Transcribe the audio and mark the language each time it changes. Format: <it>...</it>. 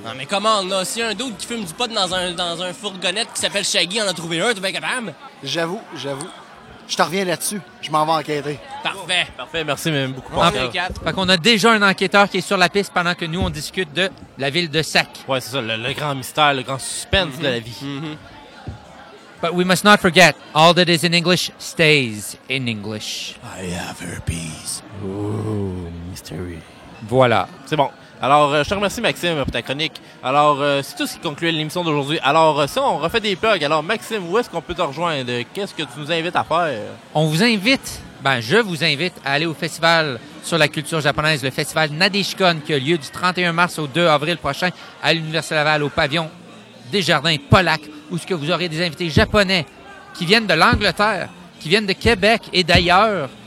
<fr>Non, mais comment, on a aussi un dude qui fume du pot dans un fourgonnette qui s'appelle Shaggy, on a trouvé un, t'es bien capable? J'avoue. Je te reviens là-dessus. Je m'en vais enquêter. Parfait. Parfait, merci même beaucoup. En fait, fait qu'on a déjà un enquêteur qui est sur la piste pendant que nous, on discute de la ville de Sac. Ouais, c'est ça, le grand mystère, le grand suspense de la vie.</fr> <en>But we must not forget, all that is in English stays in English. I have herpes. Ooh, mystery.</en> <fr>Voilà. C'est bon. Alors, je te remercie, Maxime, pour ta chronique. Alors, c'est tout ce qui conclut l'émission d'aujourd'hui. Alors, ça, on refait des plugs. Alors, Maxime, où est-ce qu'on peut te rejoindre? Qu'est-ce que tu nous invites à faire? On vous invite, je vous invite à aller au Festival sur la culture japonaise, le Festival Nadeshikon, qui a lieu du 31 mars au 2 avril prochain à l'Université Laval, au pavillon Desjardins Polac, où ce que vous aurez des invités japonais qui viennent de l'Angleterre, qui viennent de Québec et d'ailleurs.</fr>